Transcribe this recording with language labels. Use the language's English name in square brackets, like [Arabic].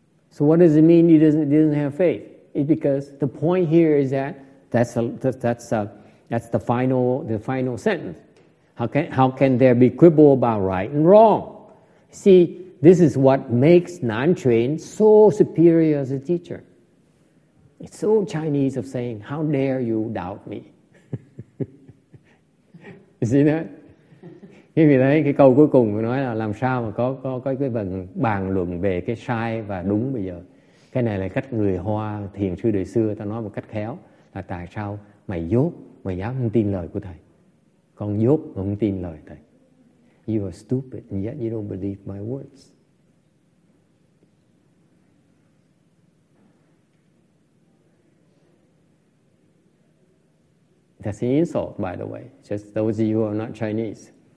[English] So what does it mean he doesn't have faith? It's because the point here is that that's the final sentence. How can there be quibble about right and wrong? See, This is what makes Nanquan so superior as a teacher. It's so Chinese of saying, how dare you doubt me? You see that? [Vietnamese] Khi mình thấy cái câu cuối cùng nói là làm sao mà có cái phần bàn luận về cái sai và đúng bây giờ. Cái này là cách người Hoa thiền sư đời xưa ta nói một cách khéo là tại sao mày dốt mà dám không tin lời của thầy. Con dốt mà không tin lời thầy. [English] You are stupid and yet you don't believe my words. That's an insult, by the way. Just those of you who are not Chinese.